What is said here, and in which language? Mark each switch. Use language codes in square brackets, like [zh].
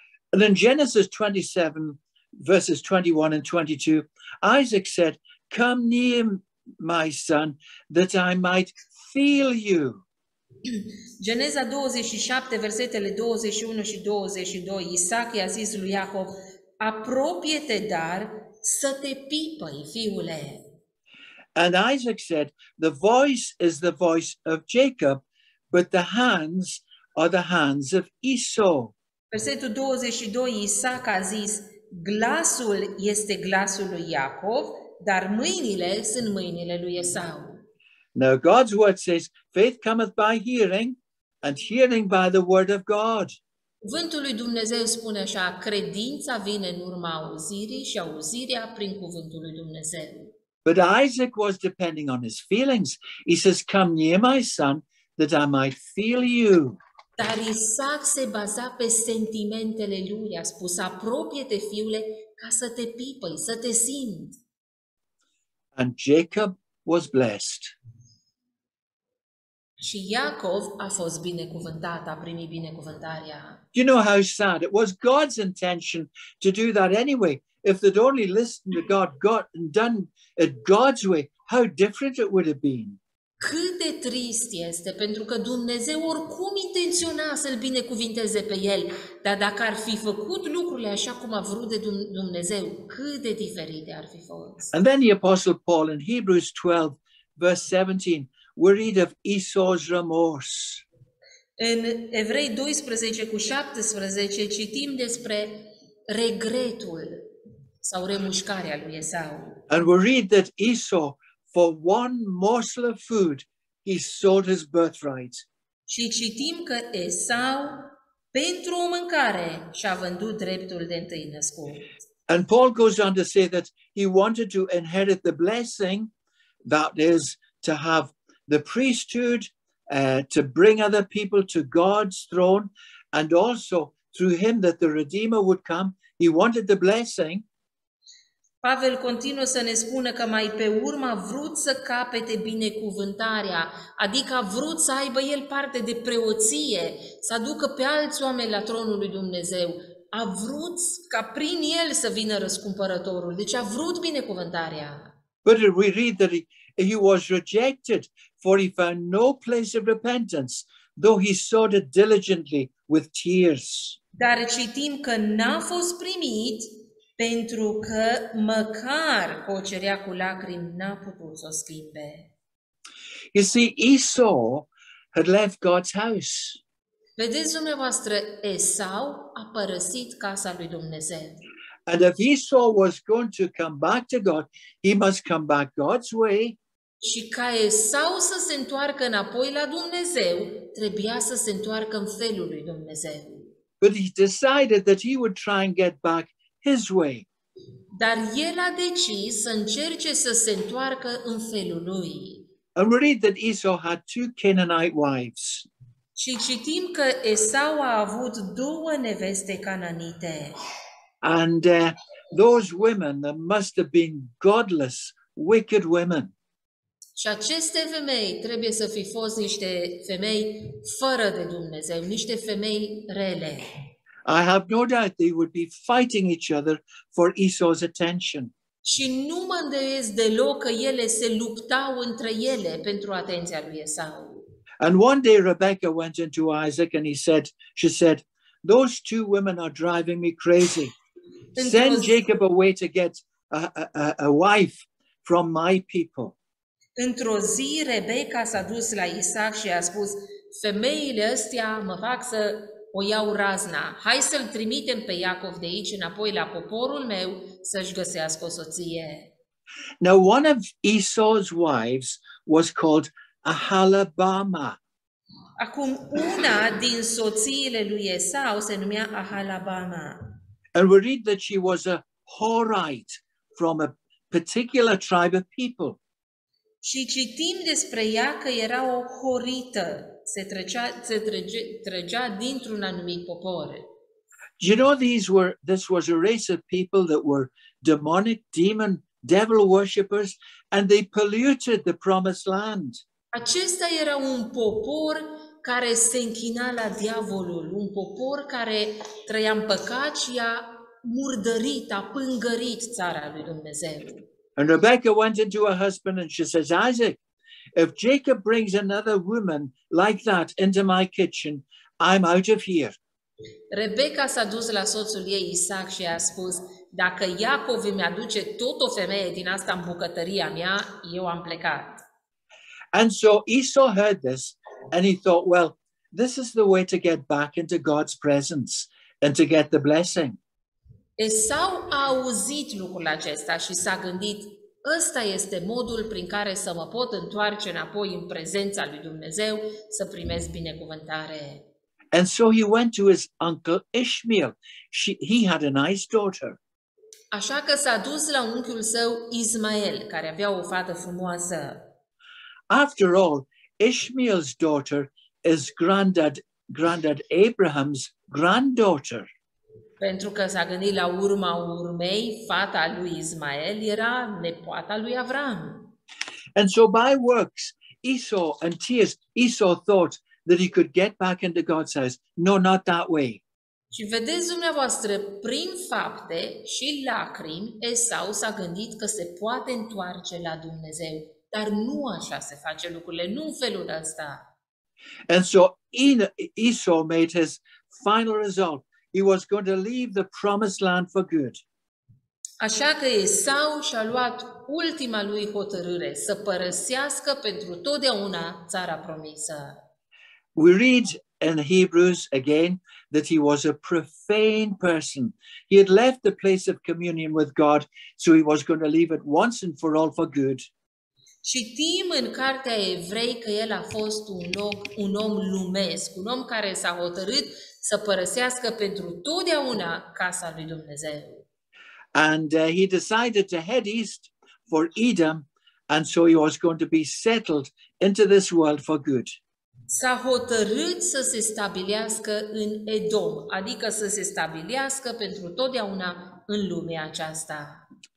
[en] And in Genesis 27, verses 21 and 22, Isaac said, come near my son, that I might feel you. [ro] Geneza 27, versetele 21 și 22, Isaac i-a zis lui Iacov, apropie-te dar să te pipăi, fiule. [en] And Isaac said, the voice is the voice of Jacob, but the hands are the hands of Esau. [ro] Versetul 22, Isaac a zis, glasul este glasul lui Iacov, dar mâinile sunt mâinile lui Esau. [en] Now God's word says, faith cometh by hearing, and hearing by the word of God. [ro] Cuvântul lui Dumnezeu spune așa, credința vine în urma auzirii și auzirea prin cuvântul lui Dumnezeu. [en] But Isaac was depending on his feelings. He says, come near my son, that I might feel you. [ro] Dar Isaac se baza pe sentimentele lui, a spus, apropie-te, fiule, ca să te pipăi, să te simt. [en] And Jacob was blessed. [ro] Și Iacov a fost binecuvântat, a primit binecuvântarea. [en] You know how sad, it was God's intention to do that anyway. If they'd only listened to God, got and done it God's way, how different it would have been. [ro] Cât de trist este, pentru că Dumnezeu oricum intenționa să-l binecuvinteze pe el, dar dacă ar fi făcut lucrurile așa cum a vrut de Dumnezeu, cât de diferite ar fi fost. [en] And then the Apostle Paul in Hebrews 12, verse 17, worried of Esau's remorse. [ro] În Evrei 12 cu 17 citim despre regretul sau remușcarea lui Esau. [en] And we read that Esau, for one morsel of food, he sold his birthright. [ro] Și citim că Esau, pentru o mâncare, și-a vândut dreptul de întâi născut. [en] And Paul goes on to say that he wanted to inherit the blessing, that is, to have the priesthood, to bring other people to God's throne, and also through him that the Redeemer would come. He wanted the blessing. [ro] Pavel continuă să ne spună că mai pe urmă a vrut să capete binecuvântarea, adică a vrut să aibă el parte de preoție, să aducă pe alți oameni la tronul lui Dumnezeu. A vrut ca prin el să vină răscumpărătorul, deci a vrut binecuvântarea. [en] But we read that he was rejected, for he found no place of repentance, though he sought it diligently with tears. [ro] Dar citim că n-a fost primit, pentru că măcar cocerea cu lacrimi n-a putut să o schimbe. [en] You see, Esau had left God's house. [ro] Vedeți dumneavoastră, Esau a părăsit casa lui Dumnezeu. [en] And if Esau was going to come back to God, he must come back God's way. [ro] Și ca Esau să se întoarcă înapoi la Dumnezeu, trebuia să se întoarcă în felul lui Dumnezeu. [en] But he decided that he would try and get back his way. [ro] Dar el a decis să încerce să se întoarcă în felul lui. [en] And we read that Esau had two Canaanite wives. [ro] Și citim că Esau a avut două neveste cananite. [en] And those women that must have been godless, wicked women. [ro] Și aceste femei trebuie să fi fost niște femei fără de Dumnezeu, niște femei rele. [en] I have no doubt they would be fighting each other for Esau's attention. [ro] Și nu mă îndoiesc deloc că ele se luptau între ele pentru atenția lui Esau. [en] And one day Rebecca went into Isaac and she said, those two women are driving me crazy. Send Jacob away to get a wife from my people. [ro] Într-o zi Rebecca s-a dus la Isaac și a spus, femeile astea mă fac să o iau razna. Hai să-l trimitem pe Iacov de aici înapoi la poporul meu să-și găsească o soție. [en] Now, one of Esau's wives was called Ahalabama. [ro] Acum, una din soțiile lui Esau se numea Ahalabama. [en] And we read that she was a Horite from a particular tribe of people. [ro] Și citim despre ea că era o horită. Se trecea dintr-un anumit popor. [en] You know, this was a race of people that were demonic, demon, devil worshippers, and they polluted the promised land. [ro] Acesta era un popor care se închina la diavolul, un popor care trăia în păcat și a murdărit, a pângărit țara lui Dumnezeu. [en] And Rebecca went into her husband and she says, Isaac, if Jacob brings another woman like that into my kitchen, I'm out of here. [ro] Rebecca s-a dus la soțul ei Isaac și a spus, dacă Iacov îmi aduce tot o femeie din asta în bucătăria mea, eu am plecat. [en] And so Esau heard this and he thought, well, this is the way to get back into God's presence and to get the blessing. [ro] Esau a auzit lucrul acesta și s-a gândit, ăsta este modul prin care să mă pot întoarce înapoi în prezența lui Dumnezeu, să primesc binecuvântare. [en] And so he went to his uncle Ishmael. He had a nice daughter. [ro] Așa că s-a dus la unchiul său Ismael, care avea o fată frumoasă. [en] After all, Ishmael's daughter is granddad granddad Abraham's granddaughter. [ro] Pentru că s-a gândit la urma urmei, fata lui Ismael era nepoata lui Avraam. [en] And so by works, Esau and tears, Esau thought that he could get back into God's house. No, not that way. [ro] Și vedeți dumneavoastră, prin fapte și lacrimi, Esau s-a gândit că se poate întoarce la Dumnezeu. Dar nu așa se face lucrurile, nu în felul ăsta. [en] And so Esau made his final result. He was going to leave the promised land for good. [ro] Așa că Esau și-a luat ultima lui hotărâre, să părăsească pentru totdeauna țara promisă. [en] We read in Hebrews again that he was a profane person. He had left the place of communion with God, so he was going to leave it once and for all for good. [ro] Citim în cartea Evrei că el a fost un om lumesc, un om care s-a hotărât să părăsească pentru totdeauna casa lui Dumnezeu. [en] And he decided to head east for Edom, and so he was going to be settled into this world for good. [ro] S-a hotărât să se stabilească în Edom, adică să se stabilească pentru totdeauna în lumea aceasta.